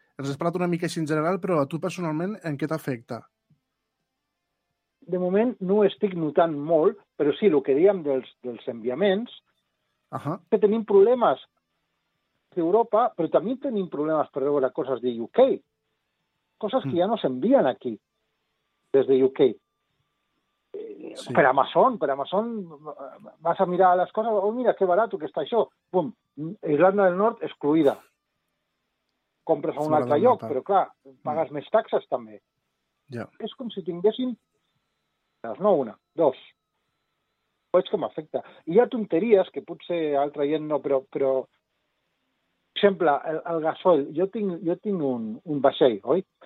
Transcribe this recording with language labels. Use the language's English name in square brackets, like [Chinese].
[Catalan] Ens has parlat una mica així en general, però a tu, personalment, en què t'afecta? De moment no ho estic notant molt, però sí, el que dèiem dels enviaments, que tenim problemes d'Europa, però també tenim problemes per veure coses de UK. [Spanish] cosas que ya nos envían aquí desde UK. Sí. Per Amazon, vas a mirar las cosas, oh, mira qué barato que está eso, pum, Irlanda del Norte excluida. [Catalan] Compres a un altre lloc, però clar, pagues més taxes també. [English] Yeah. [Catalan] És com si tinguessin, no una, dos. Veig com afecta. Hi ha tonteries que potser altra gent no, però per exemple, el gasoil, jo tinc un vaixell, oi?